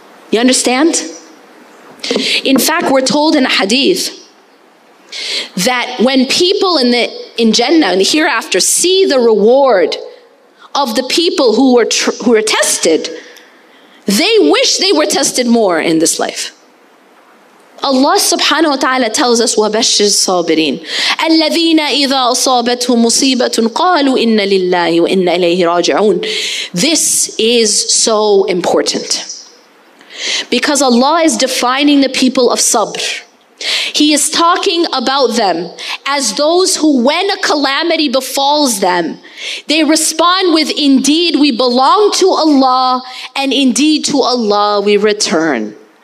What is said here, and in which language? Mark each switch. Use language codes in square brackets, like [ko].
[en] You understand? In fact, we're told in a hadith that when people in Jannah, in the hereafter, see the reward of the people who were tested, they wish they were tested more in this life. Allah subhanahu wa ta'ala tells us, [ar] وَبَشِّرِ الصَّابِرِينَ الَّذِينَ إِذَا أَصَابَتْهُمْ مُصِيبَةٌ قَالُوا إِنَّ لِلَّهِ وَإِنَّ إِلَيْهِ رَاجِعُونَ. [en] This is so important. Because Allah is defining the people of sabr. He is talking about them as those who, when a calamity befalls them, they respond with, indeed we belong to Allah, and indeed to Allah we return.